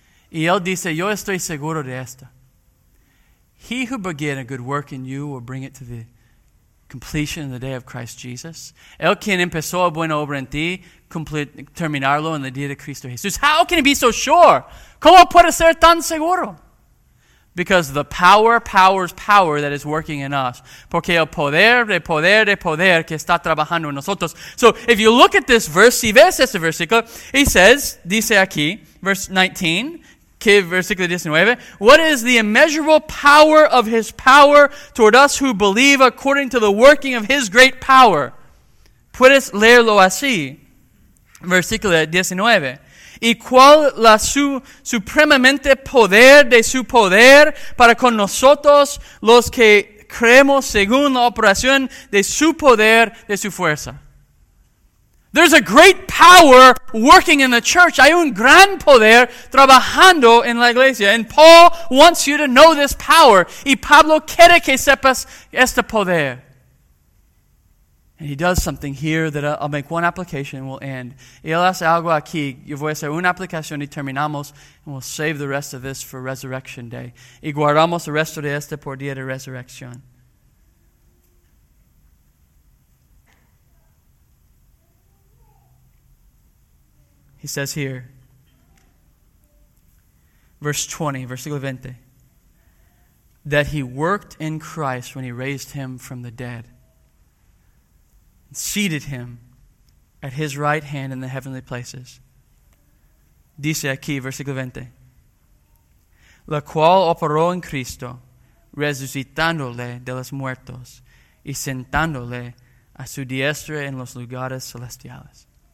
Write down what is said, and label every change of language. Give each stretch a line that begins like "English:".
Spanish: Y él dice, yo estoy seguro de esto.
English: He who began a good work in you will bring it to the completion of the day of Christ Jesus.
Spanish: El quien empezó a buena obra en ti, terminarlo en el día de Cristo Jesús.
English: How can he be so sure?
Spanish: ¿Cómo puede ser tan seguro?
English: Because the power that is working in us.
Spanish: Porque el poder de poder que está trabajando en nosotros.
English: So if you look at this verse,
Spanish: si ves este versículo,
English: he says,
Spanish: dice aquí,
English: verse 19,
Spanish: que versículo 19,
English: what is the immeasurable power of his power toward us who believe according to the working of his great power?
Spanish: Puedes leerlo así, versículo 19. ¿Y cuál la supremamente poder de su poder para con nosotros los que creemos según la operación de su poder de su fuerza?
English: There's a great power working in the church.
Spanish: Hay un gran poder trabajando en la iglesia.
English: And Paul wants you to know this power.
Spanish: Y Pablo quiere que sepas este poder.
English: And he does something here that I'll make one application and we'll end.
Spanish: Y él hace algo aquí. Yo voy a hacer una aplicación y terminamos.
English: And we'll save the rest of this for Resurrection Day.
Spanish: Y guardamos el resto de este por día de resurrección.
English: He says here,
Spanish: versículo 20,
English: that he worked in Christ when he raised him from the dead. Seated him at his right hand in the heavenly places.
Spanish: Dice aquí, versículo 20. La cual operó en Cristo, resucitándole de los muertos y sentándole a su diestra en los lugares celestiales.